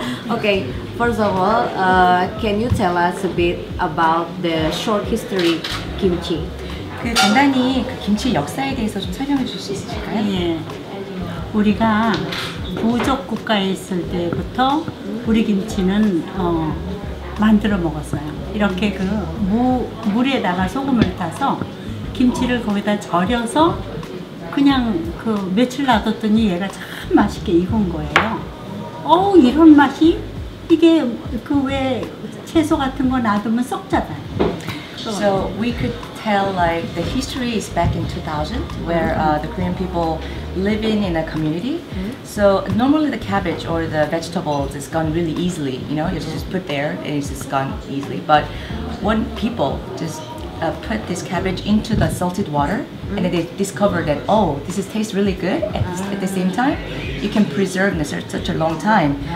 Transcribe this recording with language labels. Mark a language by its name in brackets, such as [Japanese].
[English] Okay, first of all, can you tell us a bit about the short history kimchi? [Korean] 그 간단히 그 김치 역사에 대해서 좀 설명해 주실 수 있을까요? 예. 우리가 부족 국가에 있을 때부터 우리 김치는 만들어 먹었어요. 이렇게 그 물에다가 소금을 타서 김치를 거기다 절여서 그냥 그 며칠 놔뒀더니 얘가 참 맛있게 익은 거예요. 어우 이런 맛이 이게 그 왜 채소 같은 거 놔두면 썩잖아요. [English] So we could tell like the history is back in 2000 where the Korean people living in a community. So normally the cabbage or the vegetables is gone really easily, you know, it's just put there and it's just gone easily. But when people just put this cabbage into the salted water and then they discover that, oh, this is tastes really good at the same time, you can preserve in such a long time.